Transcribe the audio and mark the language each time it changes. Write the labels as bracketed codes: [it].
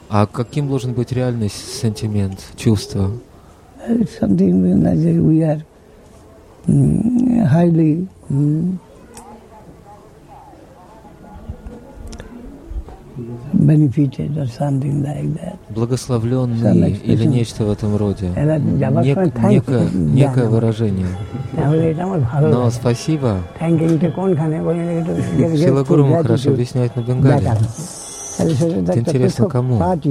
[ru] А каким должен быть реальный сентимент, чувство? [en] Something we are highly benefited or something like that. [ru] Благословленный или нечто в этом роде. Некое выражение. Но спасибо. Шрила Гуру Махарадж объясняет на бенгале. Интересно, кому?